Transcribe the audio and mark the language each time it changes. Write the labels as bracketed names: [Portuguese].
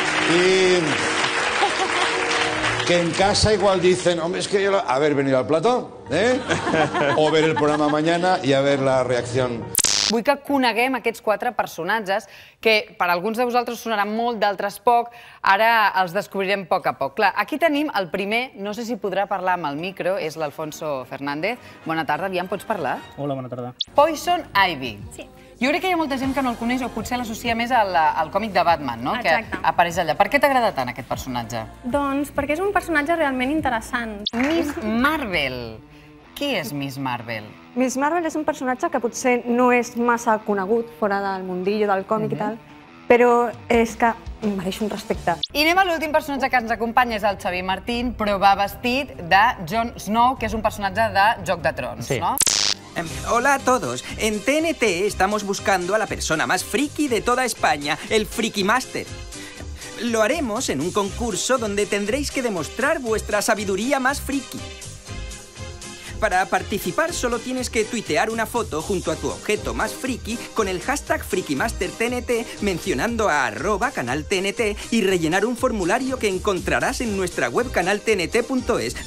[Spanish] Y que en casa igual dicen, hombre, es que yo haber venido al plató, ¿eh? O ver el programa mañana y a ver la reacción. [Catalan] Vull que coneguem aquests quatre personatges que per alguns de vosaltres sonaran molt, d'altres poc. Ara els descobrirem poc a poc. Clar, aquí tenim el primer, no sé si podrà parlar amb el micro, és l'Alfonso Fernández. Bona tarda, aviam, pots parlar? Hola, bona tarda. Poison Ivy. Sí. Jo crec que hi ha molta gent que no el coneix o potser l'associa més al còmic de Batman, no? Exacte. Que apareix allà. Per què t'agrada tant aquest personatge? Doncs perquè és un personatge realment interessant. Miss Marvel. Qui és Miss Marvel? Miss Marvel és un personatge que potser no és massa conegut fora del mundillo, del còmic i tal, però és que em mereix un respecte. I anem a l'últim personatge que ens acompanya, és el Xavi Martín, però va vestit de Jon Snow, que és un personatge de Joc de Trons, sí. No? [Spanish] Hola a todos. En TNT estamos buscando a la persona más friki de toda España, el Friki Master. Lo haremos en un concurso donde tendréis que demostrar vuestra sabiduría más friki. Para participar solo tienes que tuitear una foto junto a tu objeto más friki con el hashtag FrikiMasterTNT mencionando a @canalTNT y rellenar un formulario que encontrarás en nuestra web canaltnt.es.